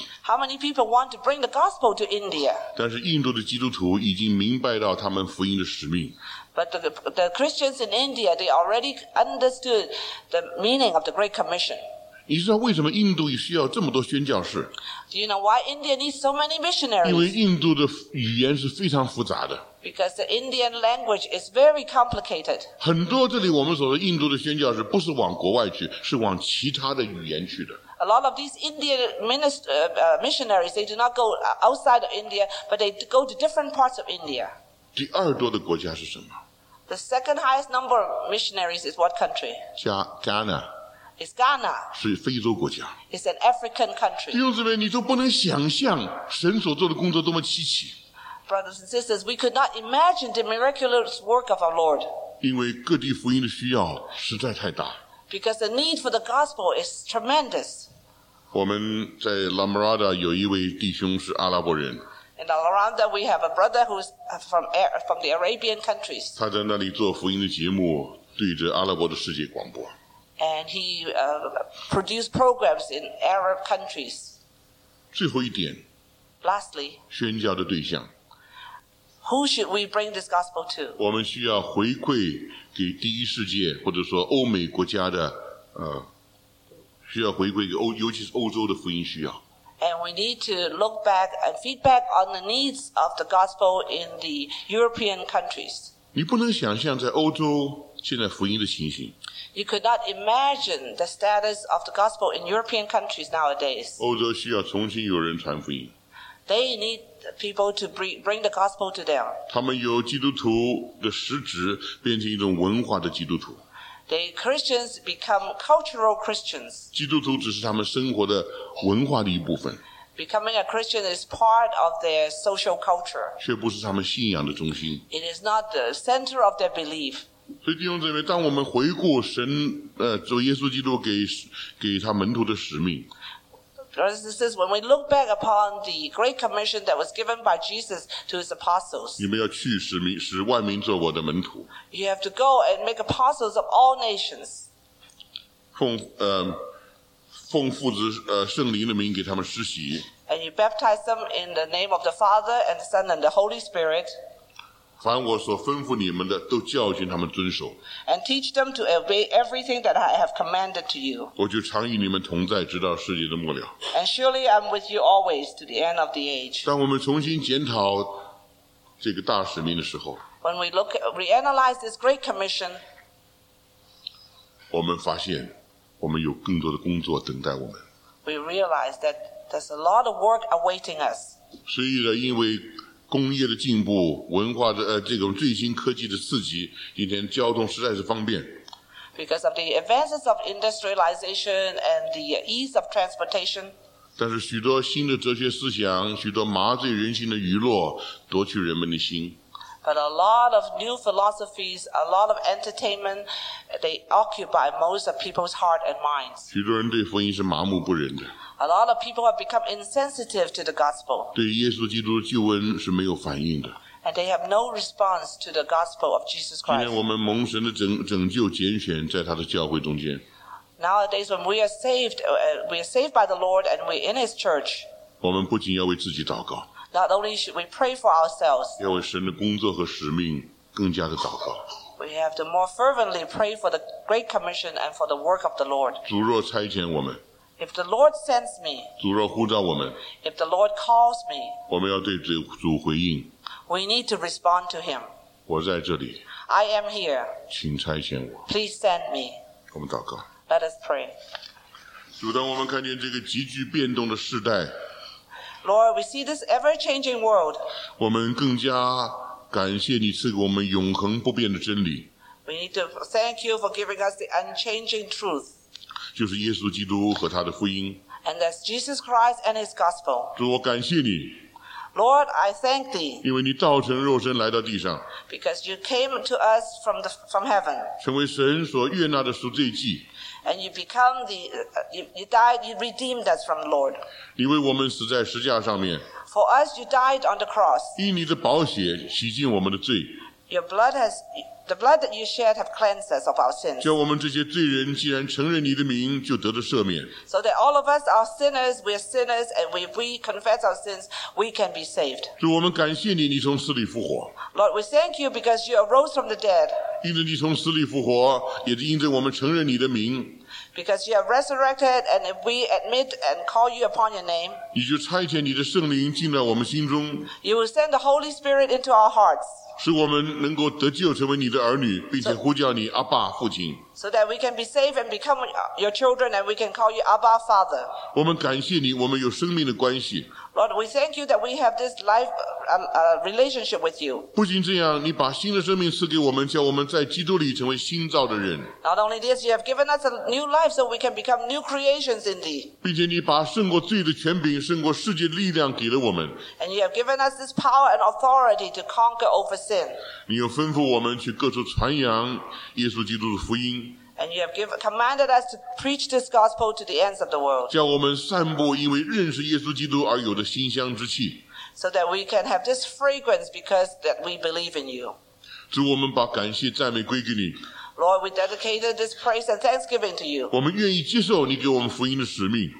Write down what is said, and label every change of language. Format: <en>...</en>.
<en>How many people want to bring the gospel to India?</en> <zh>但是印度的基督徒已经明白到他们福音的使命。</zh> <en>But the Christians in India, they already understood the meaning of the Great Commission.</en> <zh>你知道为什么印度需要这么多宣教士?</zh> <en>Do you know why India needs so many missionaries?</en> <zh>因为印度的语言是非常复杂的。</zh> <en>Because the Indian language is very complicated.</en> <zh>很多这里我们所说印度的宣教士不是往国外去，是往其他的语言去的。</zh> <en>A lot of these Indian missionaries, they do not go outside of India, but they go to different parts of India.</en> <zh>第二多的国家是什么?</zh> <en>The second highest number of missionaries is what country? Ghana. It's Ghana.</en> <zh>是非洲国家。</zh> <en>It's an African country.</en> <zh>弟兄姊妹，你都不能想象神所做的工作多么稀奇。</zh> <en>Brothers and sisters, we could not imagine the miraculous work of our Lord.</en> <zh>因为各地福音的需要实在太大。</zh> <en>Because the need for the gospel is tremendous.</en> <zh>我们在 La Mirada 有一位弟兄是阿拉伯人。</zh> <en>In La Mirada, we have a brother who is from the Arabian countries.</en> <zh>他在那里做福音的节目，对着阿拉伯的世界广播。</zh> <en>And he produced programs in Arab countries.</en> <zh>最后一点。</zh> <en>Lastly.</en> <zh>宣教的对象。</zh> <en>Who should we bring this gospel to?</en> <zh>我们需要回馈给第一世界或者说欧美国家的需要回馈给欧尤其是欧洲的福音需要。</zh> <en>And we need to look back and feedback on the needs of the gospel in the European countries.</en> <zh>你不能想象在欧洲现在福音的情形。</zh> <en>You could not imagine the status of the gospel in European countries nowadays.</en> <zh>欧洲需要重新有人传福音。</zh> <en>They need people to bring the gospel to them.</en> <zh>他们由基督徒的实质变成一种文化的基督徒。</zh> <en>They Christians become cultural Christians.</en> <zh>基督徒只是他们生活的文化的一部分。</zh> <en>Becoming a Christian is part of their social culture.</en> <zh>却不是他们信仰的中心。</zh> <en>It is not the center of their belief.</en> <zh>所以弟兄姊妹，当我们回顾神主耶稣基督给他门徒的使命。</zh> <en>This is when we look back upon the great commission that was given by Jesus to his apostles.</en> <zh>你们要去使万民做我的门徒。</zh> <en>You have to go and make apostles of all nations.</en> <zh>奉父子圣灵的名给他们施洗。</zh> <en>And you baptize them in the name of the Father and the Son and the Holy Spirit.</en> <zh>凡我所吩咐你们的，都教训他们遵守。</zh> <en>And teach them to obey everything that I have commanded to you.</en> <zh>我就常与你们同在，直到世界的末了。</zh> <en>And surely I'm with you always to the end of the age.</en> <zh>当我们重新检讨这个大使命的时候</zh> <en>，When we look, we analyze this great commission.</en> <zh>我们发现，我们有更多的工作等待我们。</zh> <en>We realize that there's a lot of work awaiting us.</en> <zh>所以呢，因为工业的进步，文化的这种最新科技的刺激，今天交通实在是方便。</zh> <en>Because of the advances of industrialization and the ease of transportation.</en> <zh>但是许多新的哲学思想，许多麻醉人心的娱乐，夺取人们的心。</zh> <en>But a lot of new philosophies, a lot of entertainment, they occupy most of people's heart and minds.</en> <zh>许多人对福音是麻木不仁的。</zh> <en>A lot of people have become insensitive to the gospel.</en> <zh>对耶稣基督的救恩是没有反应的。</zh> <en>And they have no response to the gospel of Jesus Christ.</en> <zh>今天我们蒙神的拯救拣选在他的教会中间。</zh> <en>Nowadays when we are saved by the Lord and we're in his church.</en> <zh>我们不仅要为自己祷告。</zh> <en>Not only should we pray for ourselves.</en> <zh>要为神的工作和使命更加的祷告。</zh> <en>We have to more fervently pray for the great commission and for the work of the Lord.</en> <zh>主若差遣我们。</zh> <en>If the Lord sends me,</en> <zh>主若呼召我们,</zh> <en>if the Lord calls me,</en> <zh>我们要对主回应,</zh> <en>we need to respond to him.</en> <zh>我在这里,</zh> <en>I am here.</en> <zh>请差遣我。</zh> <en>Please send me.</en> <zh>我们祷告。</zh> <en>Let us pray.</en> <zh>主，当我们看见这个急剧变动的时代。</zh> <en>Lord, we see this ever-changing world.</en> <zh>我们更加感谢你赐给我们永恒不变的真理。</zh> <en>We need to thank you for giving us the unchanging truth.</en> <zh>就是耶稣基督和他的福音。</zh> <en>And that's Jesus Christ and his gospel.</en> <zh>主，我感谢你。</zh> <en>Lord, I thank thee.</en> <zh>因为你道成肉身来到地上。</zh> <en>Because you came to us from heaven.</en> <zh>成为神所悦纳的赎罪祭。</zh> <en>And you become the, you died, you redeemed us from the Lord.</en> <zh>你为我们死在十架上面。</zh> <en>For us, you died on the cross.</en> <zh>因你的宝血洗净我们的罪。</zh> <en>Your blood has, the blood that you shed have cleansed us of our sins.</en> <zh>叫我们这些罪人既然承认你的名就得了赦免。</zh> <en>So that all of us are sinners, we are sinners, and if we confess our sins, we can be saved.</en> <zh>主，我们感谢你，你从死里复活。</zh> <en>Lord, we thank you because you arose from the dead.</en> <zh>因着你从死里复活，也是因着我们承认你的名。</zh> <en>Because you have resurrected, and if we admit and call you upon your name,</en> <zh>你就差遣你的圣灵进到我们心中。</zh> <en>You will send the Holy Spirit into our hearts,</en> <zh>使我们能够得救，成为你的儿女，并且呼叫你阿爸父亲。</zh> <en>So that we can be saved and become your children, and we can call you Abba Father.</en> <zh>我们感谢你，我们有生命的关系。</zh> <en>Lord, we thank you that we have this life relationship with you.</en> <zh>不仅这样，你把新的生命赐给我们，叫我们在基督里成为新造的人。</zh> <en>Not only this, you have given us a new life so we can become new creations in thee.</en> <zh>并且你把胜过罪的权柄、胜过世界力量给了我们。</zh> <en>And you have given us this power and authority to conquer over sin.</en> <zh>你又吩咐我们去各处传扬耶稣基督的福音。</zh> <en>And you have commanded us to preach this gospel to the ends of the world.</en> <zh>叫我们散布因为认识耶稣基督而有的馨香之气。</zh> <en>So that we can have this fragrance because that we believe in you.</en> <zh>主，我们把感谢赞美归给你。</zh> <en>Lord, we dedicated this praise and thanksgiving to you.</en> <zh>我们愿意接受你给我们福音的使命。</zh>